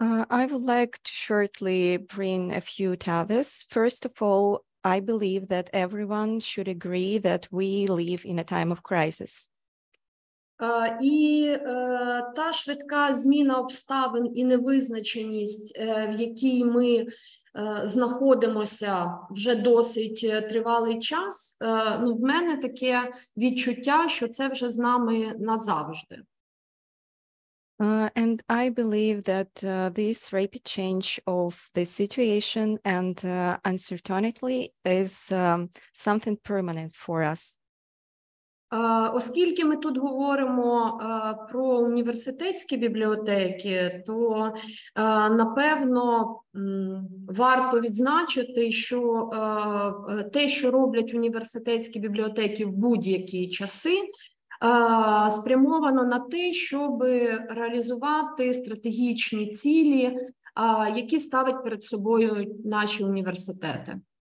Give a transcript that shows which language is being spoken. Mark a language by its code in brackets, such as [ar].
[en] I would like to shortly bring a few tethers. First of all, I believe that everyone should agree that we live in a time of crisis. [uk] І та швидка зміна обставин і невизначеність, в якій ми знаходимося вже досить тривалий час, ну, в мене таке відчуття, що це вже з нами назавжди. [en] And I believe that this rapid change of the situation and uncertainty is something permanent for us. [uk] Оскільки ми тут говоримо про університетські бібліотеки, то, напевно, варто відзначити, що те, що роблять університетські бібліотеки в будь-які часи, спрямовано на те, щоб реалізувати стратегічні цілі, які ставить перед собою наші університети.